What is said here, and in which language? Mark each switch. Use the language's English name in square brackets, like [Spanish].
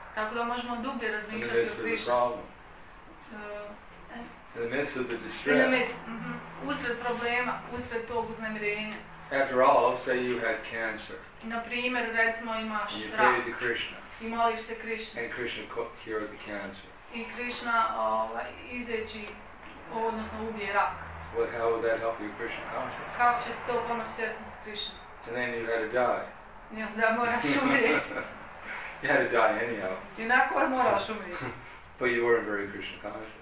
[Bosnian] Tako da možemo dublje razmišljati o Krishna. [English] In the midst of the distress. [Bosnian] Usred problema, usred tog uznemirenja. [English] After all, say you had cancer. [Bosnian] Na primjer, recimo imaš rak. [English] And you prayed to Krishna. [Bosnian] i moliš se Krishna. [English] And Krishna cured the cancer. [Bosnian] I Krishna izleči, odnosno ubije rak. [English] Well, how would that help your Krishna consciousness? [Bosnian] Kako će to pomoći svjesnosti Krishna? [English] And then you had to die. [Bosnian] Da moraš umrijeti. [English] You had to die anyhow. [Bosnian] Inako moraš umrijeti. [English] But you weren't very Krishna conscious.